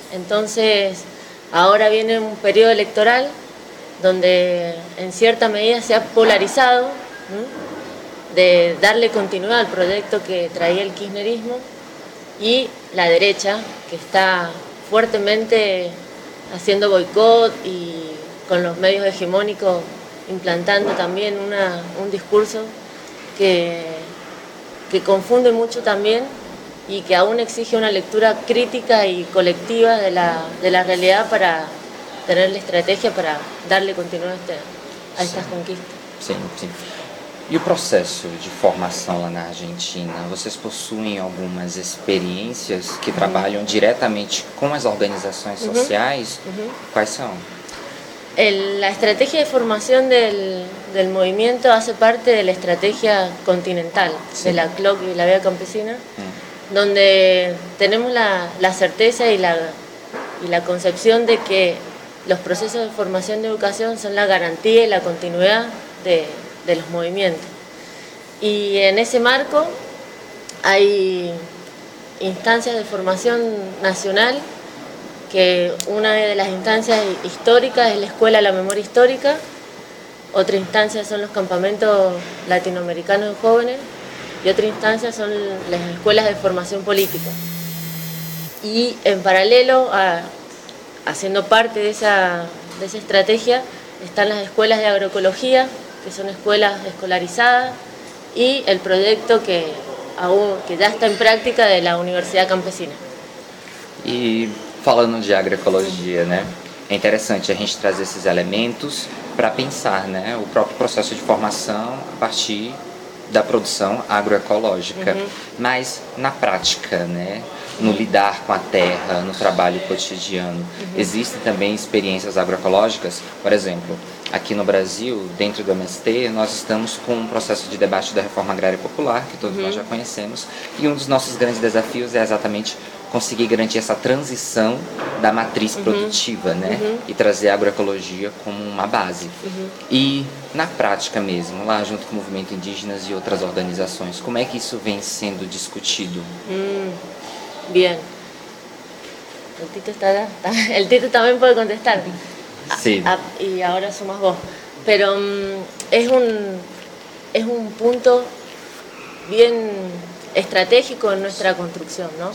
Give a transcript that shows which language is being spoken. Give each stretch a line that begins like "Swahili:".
Spanish: Entonces, ahora viene un periodo electoral donde en cierta medida se ha polarizado, ¿sí?, de darle continuidad al proyecto que traía el kirchnerismo y la derecha, que está fuertemente haciendo boicot y con los medios hegemónicos implantando también un discurso que confunde mucho también y que aún exige una lectura crítica y colectiva de la realidad para tener la estrategia para darle continuidad a estas conquistas. Sí, sí.
Portuguese: E o processo de formação lá na Argentina? Vocês possuem algumas experiências que trabalham diretamente com as organizações sociais? Quais são? A estratégia de formação do movimento faz parte da estratégia continental, de la CLOC e la Vía Campesina, onde temos a certeza e a concepção de que os processos de formação e educação são a garantia e a continuidade
Spanish: de los movimientos. Y en ese marco hay instancias de formación nacional, que una de las instancias históricas es la Escuela de la Memoria Histórica, otra instancia son los campamentos latinoamericanos de jóvenes y otra instancia son las escuelas de formación política. Y en paralelo, haciendo parte de esa estrategia, están las escuelas de agroecología, que son escuelas escolarizadas, y el proyecto que ya está en práctica de la Universidad Campesina.
Portuguese: Y falando de agroecología, ¿no? É interessante a gente trazer esses elementos para pensar, né, o próprio processo de formação a partir da produção agroecológica. Mas na prática, né, no lidar com a terra, no trabalho cotidiano, existem também experiências agroecológicas? Por exemplo, aqui no Brasil, dentro do MST, nós estamos com um processo de debate da reforma agrária popular, que todos nós já conhecemos, e um dos nossos grandes desafios é exatamente conseguir garantir essa transição da matriz produtiva, né? E trazer a agroecologia como uma base. E na prática mesmo, lá junto com o movimento indígena e outras organizações, como é que isso vem sendo discutido?
Spanish: Bien. El Tito está allá. El Tito también puede contestar. Sí. Y ahora sumas vos. Pero es un punto bien estratégico en nuestra construcción, ¿no?